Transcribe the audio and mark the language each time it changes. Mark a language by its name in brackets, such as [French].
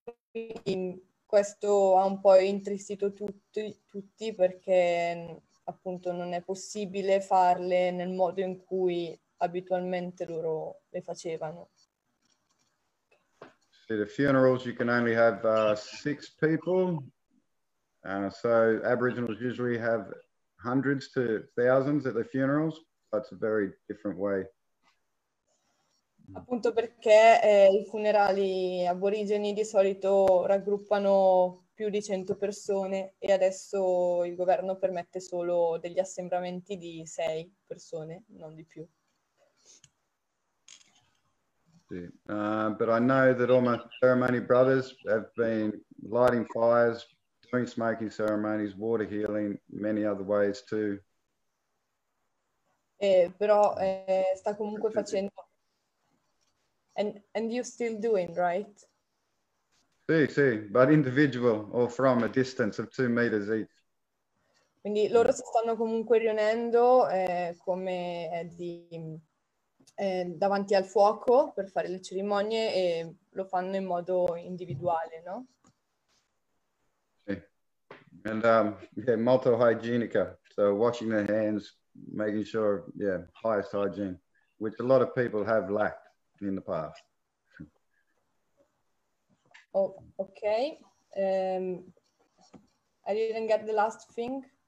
[Italian] Quindi questo ha un po' intristito tutti perché appunto non è possibile farle nel modo in cui abitualmente loro le facevano. [English] The funerals you can only have six people So Aboriginals usually have hundreds to thousands at the funerals. That's a very different way. [Italian] Appunto perché i funerali aborigeni di solito raggruppano più di 100 persone e adesso il governo permette solo degli assembramenti di 6 persone, non di più. Sì. [English] But I know that all my ceremony brothers have been lighting fires, doing smoking ceremonies, water healing, many other ways too. [Italian] Però sta comunque facendo. [English] And you're still doing, right? Sì, sì, but individual or from a distance of 2 meters each. [Italian] Quindi loro si stanno comunque riunendo come di davanti al fuoco per fare le cerimonie e lo fanno in modo individuale, no? Sì. [English] And yeah, [Italian] molto hygienica, [English] so washing their hands, making sure, yeah, highest hygiene, which a lot of people have lacked in the past. Oh, okay. I didn't get the last thing.